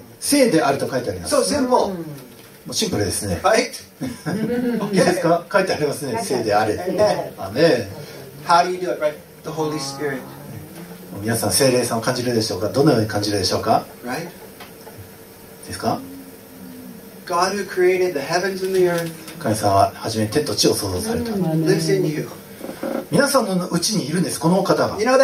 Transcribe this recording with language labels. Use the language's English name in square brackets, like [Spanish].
[Japanese] 聖であると書いてあります。 [English] So simple. [Japanese] もうシンプルですね。 [English] Right? [Japanese] いいですか？書いてありますね。聖であれ。 [English] Amen. How do you do it, right? The Holy Spirit. [Japanese] 皆さん、聖霊さんを感じるでしょうか？どのように感じるでしょうか？ [English] Right? [Japanese] ですか？ [English] God who created the heavens and the earth. [Japanese] 神様は初めに天と地を創造された。皆さんのうちにいるんです、この方が。